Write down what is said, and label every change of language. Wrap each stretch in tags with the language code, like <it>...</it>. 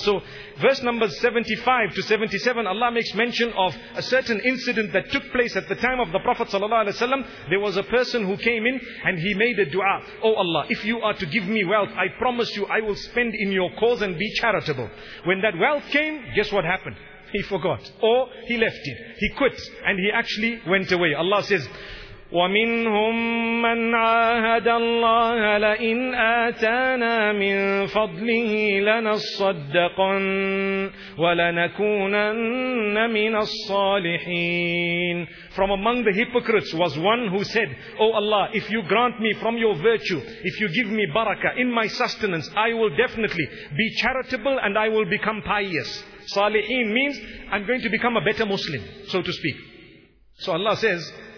<en>So verse numbers 75 to 77, Allah makes mention of a certain incident that took place at the time of the Prophet sallallahu alaihi wasallam. There was a person who came in and he made a dua. Oh Allah, if you are to give me wealth, I promise you I will spend in your cause and be charitable. When that wealth came, guess what happened? He forgot. Or he left it. He quit. And he actually went away. Allah says,</en> <ar>ومنهم من عاهد الله لئن آتانا من فضله لنصدقن ولنكونن من الصالحين.</ar> <en>From among the hypocrites was one who said, O Allah, if you grant me from your virtue, if you give me barakah in my sustenance, I will definitely be charitable and I will become pious. Salihin means I'm going to become a better Muslim, so to speak. So Allah says,</en>